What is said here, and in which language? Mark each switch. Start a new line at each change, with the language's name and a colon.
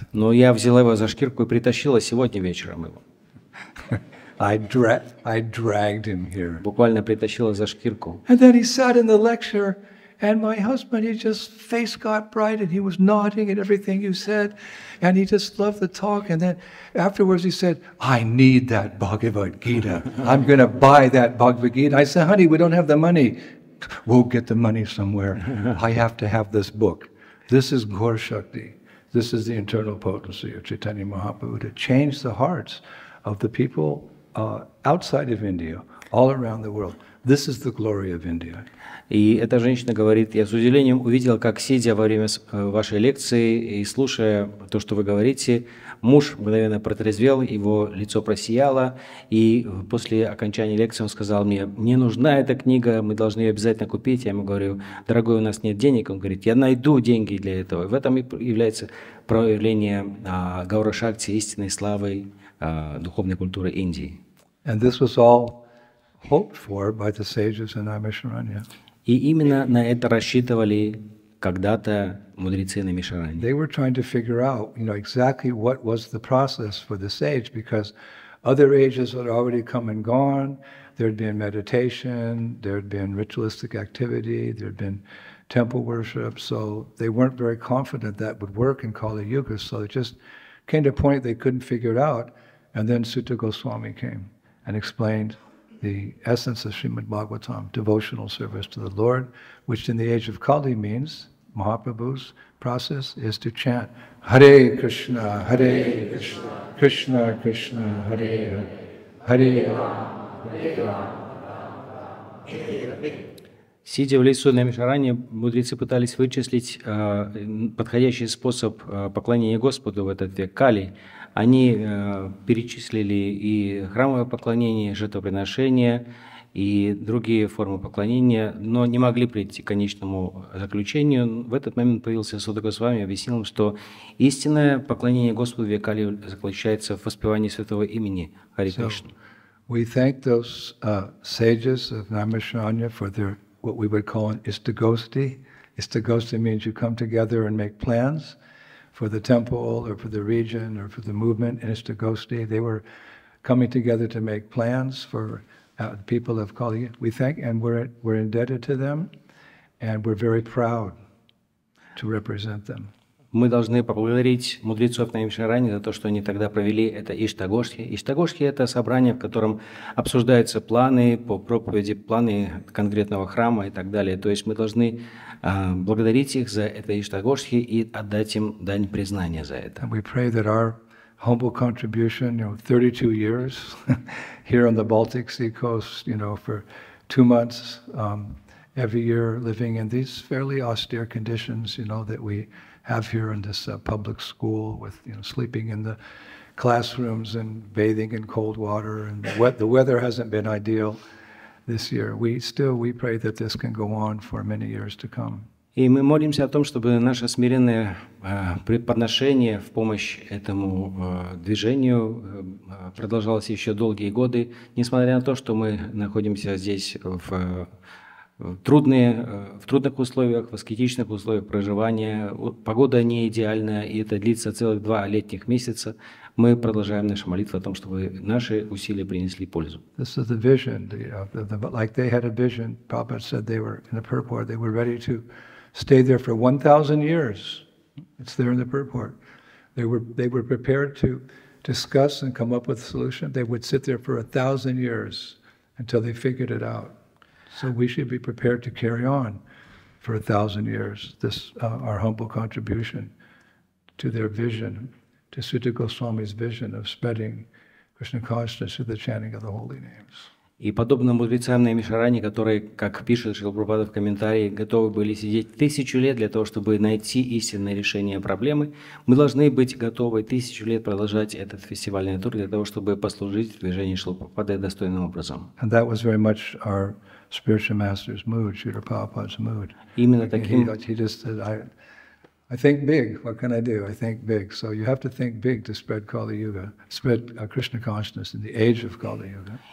Russian: Но я взяла его за шкирку и притащила сегодня вечером его.
English: I dragged him here.
Russian: Буквально притащила за шкирку.
English: And then he sat in the lecture, and my husband, he just face got bright, and he was nodding at everything you said, and he just loved the talk. And then afterwards, he said, "I need that Bhagavad Gita. I'm going to buy that Bhagavad Gita." I said, "Honey, we don't have the money. We'll get the money somewhere. I have to have this book." This is Gaur Shakti. This is the internal potency of Chaitanya Mahaprabhu to change the hearts of the people outside of India, all around the world. This is the glory of India.
Russian: И эта женщина говорит, я с удивлением увидел, как сидя во время вашей лекции и слушая то, что вы говорите, муж мгновенно протрезвел, его лицо просияло, и после окончания лекции он сказал мне, мне нужна эта книга, мы должны ее обязательно купить. Я ему говорю, дорогой, у нас нет денег. Он говорит, я найду деньги для этого. И в этом и является проявление Гаура Шакти, истинной славы духовной культуры Индии.
English: And this was all hoped for by the sages in Amisharanya.
Russian: И именно на это рассчитывали когда-то мудрецы на Мишаране.
English: They were trying to figure out, you know, exactly what was the process for the sage, because other ages had already come and gone. There'd been meditation, there'd been ritualistic activity, there'd been temple worship. So they weren't very confident that would work in Kali Yuga. So it just came to a point they couldn't figure it out. And then Sutta Goswami came and explained the essence of Srimad Bhagavatam, devotional service to the Lord, which in the age of Kali means, Mahaprabhu's process is to chant,
Sanskrit: Hare Krishna, Hare Krishna, Krishna Krishna, Krishna Hare Hare, Hare.
Russian: Сидя в лесу на Мишаране, мудрецы пытались вычислить подходящий способ поклонения Господу в этот век Кали. Они перечислили и храмовое поклонение, и жертвоприношение, и другие формы поклонения, но не могли прийти к конечному заключению. В этот момент появился Суда Госвами и объяснил им, что истинное поклонение Господу в Кали заключается в воспевании святого имени Хари Кришна.
English: We thank those sages of Namasharanya for their what we would call an istagosti. Istagosti means you come together and make plans for the temple or for the region or for the movement in Istagosti. They were coming together to make plans for the people of Kali. We thank and we're indebted to them, and we're very proud to represent them.
Russian: Мы должны поблагодарить мудрецов на Имшаране за то, что они тогда провели это Иштагошхи. Иштагошхи – это собрание, в котором обсуждаются планы по проповеди, планы конкретного храма и так далее. То есть мы должны благодарить их за это Иштагошхи и отдать им дань признания за это.
English: We pray that our humble contribution, you know, 32 years here on the Baltic Sea coast, you know, for 2 months every year living in these fairly austere conditions, you know, that we have here in this public school with, you know, sleeping in the classrooms and bathing in cold water, and the weather hasn't been ideal, this year. We pray that this can go on for many years to come.
Russian: И мы молимся о том, чтобы наше смиренное преподношение в помощь этому движению продолжалось еще долгие годы, несмотря на то, что мы находимся здесь в трудных условиях, в аскетичных условиях проживания. Погода не идеальная, и это длится целых два летних месяца. Мы продолжаем наши молитвы о том, чтобы наши усилия принесли пользу.
English: This is the vision. Like they had a vision. Prabhupada said they were in a purport. They were ready to stay there for 1,000 years. It's there in the purport. They were prepared to discuss and come up with a solution. They would sit there for 1,000 years until they figured it out. So we should be prepared to carry on for 1,000 years this our humble contribution to their vision, to Sutta Goswami's vision of spreading Krishna consciousness through the chanting of the holy names.
Russian: И подобно мудрецам на Мишаране, которые, как пишет Шрила Прабхупада в комментарии, готовы были сидеть тысячу лет для того, чтобы найти истинное решение проблемы, мы должны быть готовы тысячу лет продолжать этот фестивальный тур для того, чтобы послужить движению Шрила Прабхупады достойным образом.
English: And that was very much our spiritual master's mood, Srila Prabhupada's mood.
Russian: Именно таким.
English: He just said, I think big, what can I do? I think big. So you have to think big to spread Kali Yuga, spread Krishna consciousness in the age of Kali Yuga.